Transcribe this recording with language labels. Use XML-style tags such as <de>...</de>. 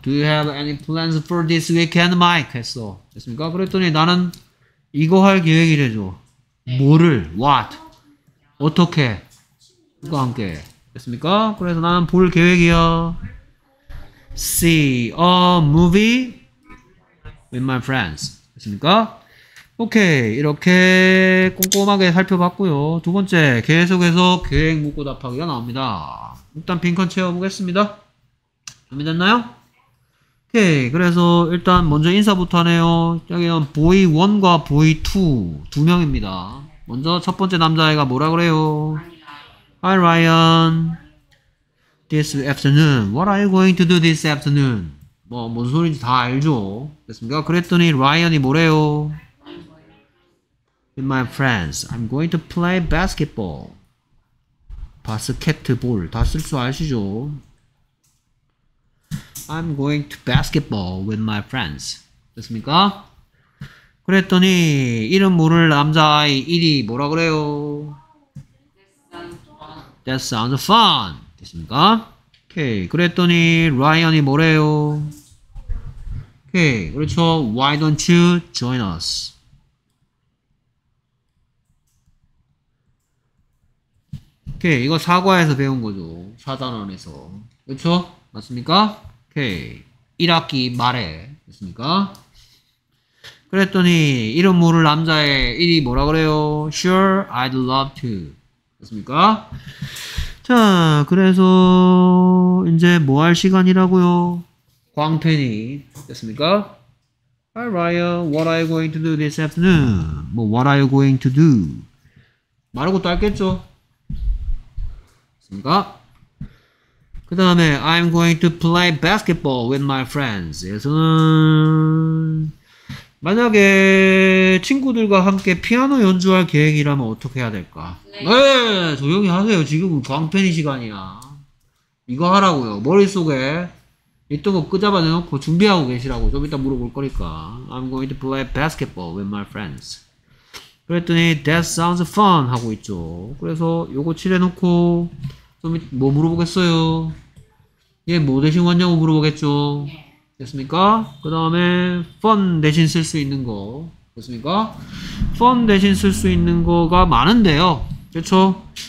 <en>Do you have any plans for this weekend, Mike?</en> <ko>했어. 됐습니까? 그랬더니 나는 이거 할 계획이 되죠. 뭐를? What? 어떻게? 누가 함께? 됐습니까? 그래서 나는 볼 계획이야.</ko> <en>See a movie with my friends.</en> <ko>됐습니까? 오케이. 이렇게 꼼꼼하게 살펴봤고요. 두 번째, 계속해서 계획 묻고 답하기가 나옵니다. 일단 빈칸 채워보겠습니다. 준비됐나요? 오케이. 그래서 일단 먼저 인사부터 하네요. 여기는 boy1과 boy2 두 명입니다. 먼저 첫 번째 남자애가 뭐라 그래요?</ko> <en>Hi Ryan. This afternoon. What are you going to do this afternoon?</en> <ko>뭐 뭔 소리인지 다 알죠. 됐습니까? 그랬더니 Ryan이 뭐래요?</ko> <en>With my friends, I'm going to play basketball.</en> <ko>바스켓볼 다 쓸 수 아시죠?</ko> <en>I'm going to basketball with my friends.</en> <ko>됐습니까? 그랬더니 이름 모를 남자아이 1이 뭐라 그래요?</ko> <en>That sounds fun.</en> <ko>됐습니까? 오케이. 그랬더니 라이언이 뭐래요? 오케이. 그렇죠.</ko> <en>Why don't you join us?</en> <ko>오케이. 이거 사과에서 배운 거죠. 사단원에서. 그렇죠? 맞습니까? 오케이. 1학기 말에. 됐습니까? 그랬더니 이름 모를 남자의 1이 뭐라 그래요?</ko> <en>Sure, I'd love to.</en> <ko>됐습니까? 자, 그래서 이제 뭐 할 시간이라고요? 광팬이 됐습니까?</ko> <en>Hi Ryan, what are you going to do this afternoon? 뭐, what are you going to do?</en> <ko>말하고 또 알겠죠? 됐습니까? 그 다음에</ko> <en>I'm going to play basketball with my friends.</en> <ko>그래서는 만약에 친구들과 함께 피아노 연주할 계획이라면 어떻게 해야 될까? 네. 에이, 조용히 하세요. 지금 광팬이 시간이야. 이거 하라고요. 머릿속에 이딴 거 끄잡아 내놓고 준비하고 계시라고. 좀 이따 물어볼 거니까.</ko> <en>I'm going to play basketball with my friends.</en> <ko>그랬더니</ko> <en>that sounds fun</en> <ko>하고 있죠. 그래서 요거 칠해놓고 좀 뭐 물어보겠어요? 얘 뭐 대신 왔냐고 물어보겠죠. 됐습니까? 그 다음에 fun 대신 쓸 수 있는 거 됐습니까? fun 대신 쓸 수 있는 거가 많은데요. 그렇죠?</ko>